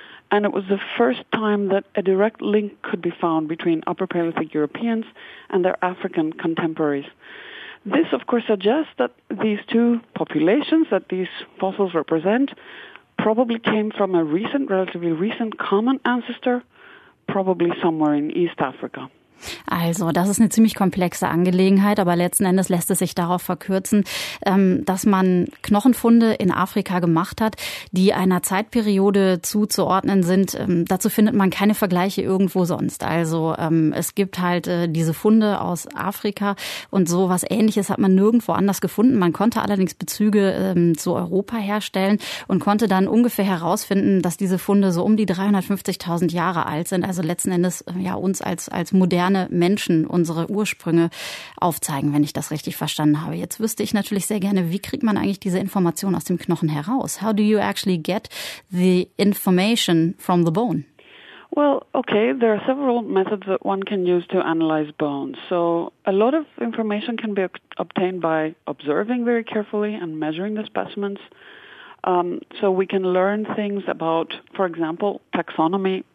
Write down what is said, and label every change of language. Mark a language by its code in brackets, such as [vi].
[en] And it was the first time that a direct link could be found between Upper Paleolithic Europeans and their African contemporaries. This, of course, suggests that these two populations that these fossils represent probably came from a recent, relatively recent common ancestor, probably somewhere in East Africa. [de] Also, das ist eine ziemlich komplexe Angelegenheit, aber letzten Endes lässt es sich darauf verkürzen, dass man Knochenfunde in Afrika gemacht hat, die einer Zeitperiode zuzuordnen sind. Dazu findet man keine Vergleiche irgendwo sonst. Also, es gibt halt diese Funde aus Afrika und sowas Ähnliches hat man nirgendwo anders gefunden. Man konnte allerdings Bezüge zu Europa herstellen und konnte dann ungefähr herausfinden, dass diese Funde so um die 350.000 Jahre alt sind. Also letzten Endes ja uns als moderne Menschen unsere Ursprünge aufzeigen, wenn ich das richtig verstanden habe. Jetzt wüsste ich natürlich sehr gerne, wie kriegt man eigentlich diese Information aus dem Knochen heraus? [en] How do you actually get the information from the bone? Well, okay, there are several methods that one can use to analyze bones. So a lot of information can be obtained by observing very carefully and measuring the specimens. So we can learn things about, for example, taxonomy.